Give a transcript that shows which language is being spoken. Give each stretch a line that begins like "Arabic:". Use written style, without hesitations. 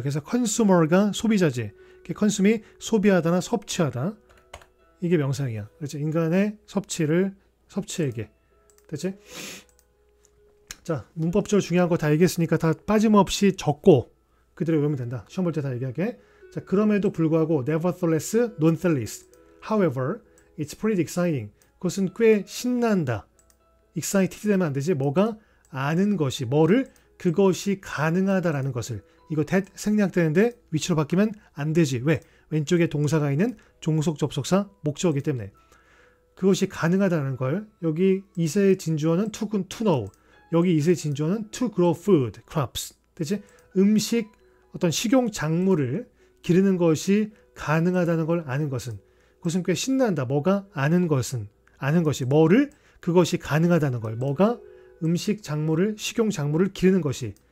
Korean: 그래서 consumer가 소비자지. 이게 consume이 소비하다나 섭취하다. 이게 명사형이야. 그렇지? 인간의 섭취를 섭취에게. 됐지? 자, 문법적으로 중요한 거 다 얘기했으니까 다 빠짐없이 적고 그대로 외우면 된다. 시험 볼 때 다 얘기할게. 자, 그럼에도 불구하고
English: nevertheless, nonetheless. However, it's pretty exciting.
Korean: 그것은 꽤 신난다. excited 되면 안 되지. 뭐가? 아는 것이. 뭐를? 그것이 가능하다라는 것을. 이거 that 생략되는데 위치로 바뀌면 안 되지. 왜? 왼쪽에 동사가 있는 종속 접속사 목적이기 때문에. 그것이 가능하다는 걸. 여기 2세 진주어는
English: to know.
Korean: 여기 2세 진주어는
English: to grow food, crops.
Korean: 되지? 음식, 어떤 식용 작물을 기르는 것이 가능하다는 걸 아는 것은 그것은 꽤 신난다. 뭐가? 아는 것은. 아는 것이. 뭐를? 그것이 가능하다는 걸. 뭐가? 음식 작물을, 식용 작물을 기르는 것이.